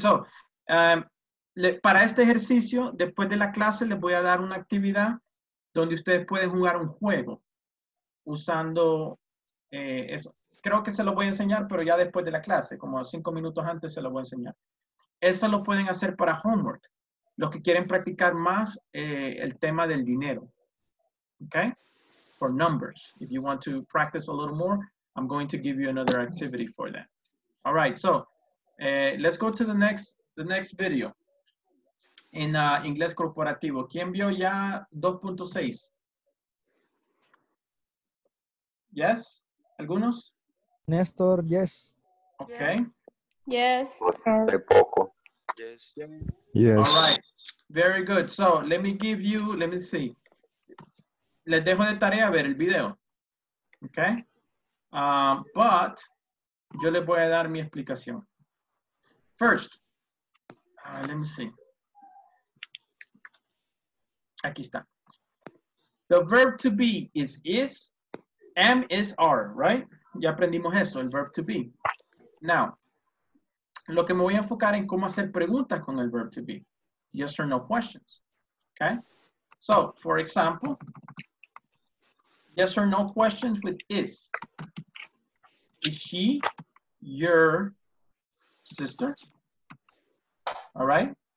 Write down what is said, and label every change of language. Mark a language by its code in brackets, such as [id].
[es] So, para este ejercicio, después de la clase, les voy a dar una actividad donde ustedes pueden jugar un juego usando eso. Creo que se lo voy a enseñar, pero ya después de la clase, como 5 minutos antes, se lo voy a enseñar. Eso lo pueden hacer para homework, los que quieren practicar más el tema del dinero. [en] Okay, for numbers. If you want to practice a little more, I'm going to give you another activity for that. All right, so let's go to the next video in Ingles Corporativo. [es] ¿Quién vio ya 2.6? [en] Yes, [es] algunos? [en] Nestor, yes. Okay. Yes. [es] De poco. [en] Yes. Yes. All right. Very good. So let me give you, let me see. [es] Les dejo de tarea ver el video. Okay. [en] But [es] yo les voy a dar mi explicación. [en] First, let me see. [es] Aquí está. [en] The verb to be is, am is are, right? [es] Ya aprendimos eso, el [en] verb to be. [es] Now, lo que me voy a enfocar en cómo hacer preguntas con el [en] verb to be. Yes or no questions, okay? So, for example, yes or no questions with is. Is she your sister? All right.